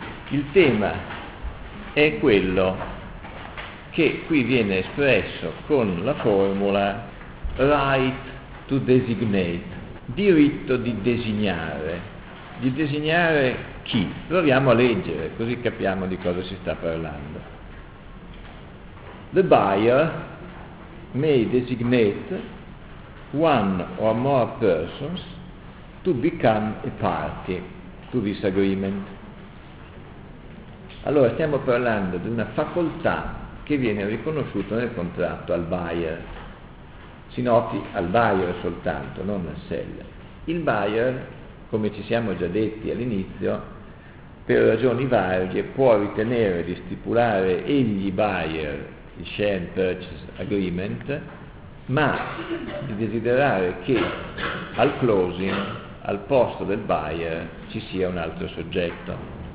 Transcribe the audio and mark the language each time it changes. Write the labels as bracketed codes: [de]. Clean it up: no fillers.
[it] Il tema è quello che qui viene espresso con la formula right to designate, diritto di designare. Di designare chi? Proviamo a leggere, così capiamo di cosa si sta parlando. [en] The buyer may designate one or more persons to become a party to this agreement. [it] Allora, stiamo parlando di una facoltà che viene riconosciuta nel contratto al buyer. Si noti al buyer soltanto, non al seller. Il buyer, come ci siamo già detti all'inizio, per ragioni varie può ritenere di stipulare egli buyer il share and purchase agreement, ma di desiderare che al closing, al posto del buyer, ci sia un altro soggetto.